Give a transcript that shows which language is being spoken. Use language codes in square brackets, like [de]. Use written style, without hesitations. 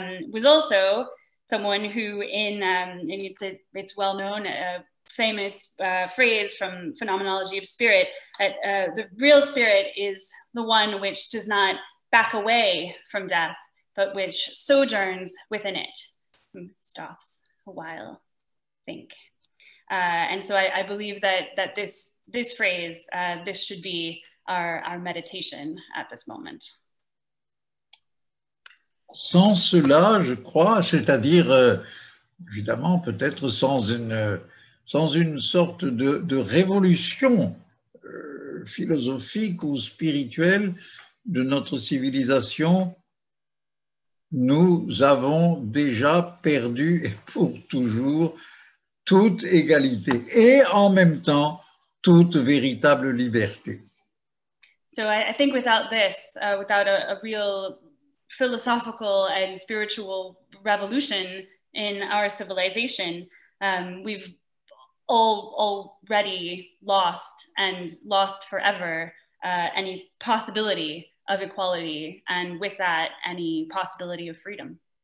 [en] was also someone who it's well known, a famous phrase from Phenomenology of Spirit, that the real spirit is the one which does not back away from death, but which sojourns within it, stops a while, think. And so I believe that this phrase, this should be our meditation at this moment. [fr] Sans cela, je crois, c'est-à-dire, évidemment, peut-être sans une sorte de révolution philosophique ou spirituelle de notre civilisation, nous avons déjà perdu pour toujours toute égalité et en même temps toute véritable liberté. [en] So I think without this, without a real philosophical and spiritual revolution in our civilization, we've already lost and lost forever any possibility of equality, and with that, any possibility of freedom.